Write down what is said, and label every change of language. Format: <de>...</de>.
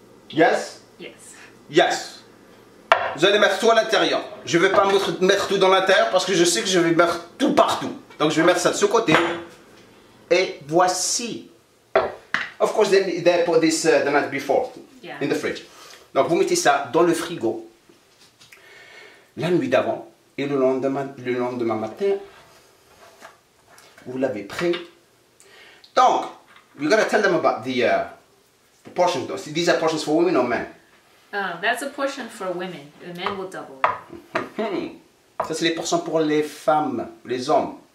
<en>Yes? Yes. Yes.</en> <fr>Vous allez mettre tout à l'intérieur. Je ne vais pas mettre tout dans l'intérieur parce que je sais que je vais mettre tout partout. Donc je vais mettre ça de ce côté. Et voici.</fr> <en>Of course, they put this the night before. Yeah. In the fridge.</en> <fr>Donc vous mettez ça dans le frigo. La nuit d'avant. Et le lendemain matin, vous l'avez pris.</fr> <en>Donc, we're going to tell them about the... The portions, though. See, these are portions for women or men? That's a portion for women. The men will double it.</en> <fr>Ça, c'est les portions pour les femmes, les hommes.</fr>